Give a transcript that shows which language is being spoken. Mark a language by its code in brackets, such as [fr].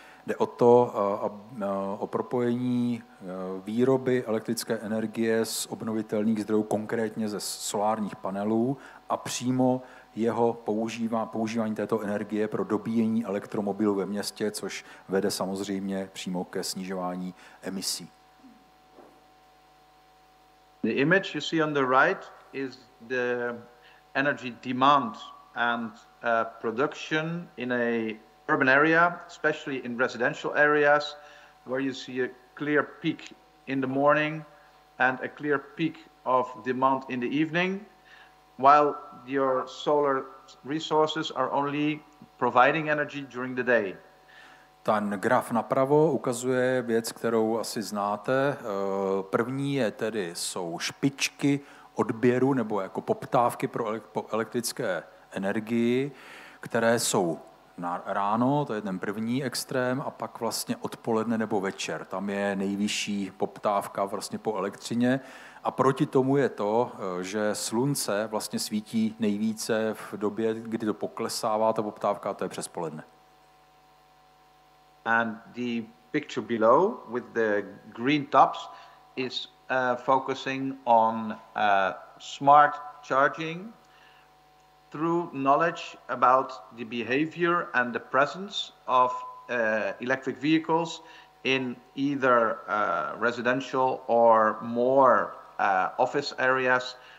[cs] Jde o to, o propojení výroby elektrické energie z obnovitelných zdrojů, konkrétně ze solárních panelů a přímo jeho používání této energie pro dobíjení elektromobilů ve městě, což vede samozřejmě přímo ke snižování emisí. [en] The image you see on the right is the energy demand and production in a urban area, especially in residential areas, where you see a clear peak in the morning and a clear peak of demand in the evening. While your solar resources are only providing energy during the day. [cs] Ten graf napravo ukazuje věc, kterou asi znáte. První je tedy jsou špičky odběru nebo jako poptávky pro elektrické energii, které jsou na ráno, to je ten první extrém, a pak vlastně odpoledne nebo večer. Tam je nejvyšší poptávka vlastně po elektřině. A proti tomu je to, že slunce vlastně svítí nejvíce v době, kdy to poklesává, ta poptávka, to je přes poledne. [en] And the picture below with the green tops is focusing on smart charging through knowledge about the behavior and the presence of electric vehicles in either residential or more office areas,